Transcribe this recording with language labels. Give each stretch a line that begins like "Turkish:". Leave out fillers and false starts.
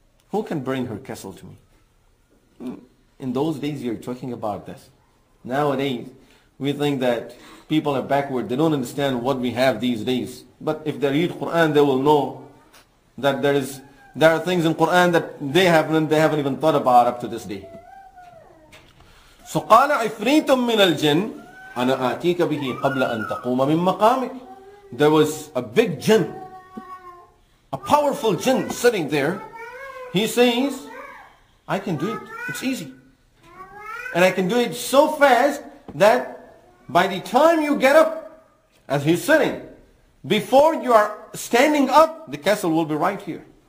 English: Who can bring her castle to me? In those days you're talking about this. Nowadays, we think that people are backward, they don't understand what we have these days. But if they read Quran, they will know that there are things in Quran that they haven't even thought about up to this day.
Arabic: So قال عفريت من الجن أنا آتيك به قبل أن تقوم من مقامك.
English: There was a big jinn, a powerful jinn sitting there. He says, I can do it. It's easy. And I can do it so fast that by the time you get up, as he's sitting, before you are standing up, the castle will be right here.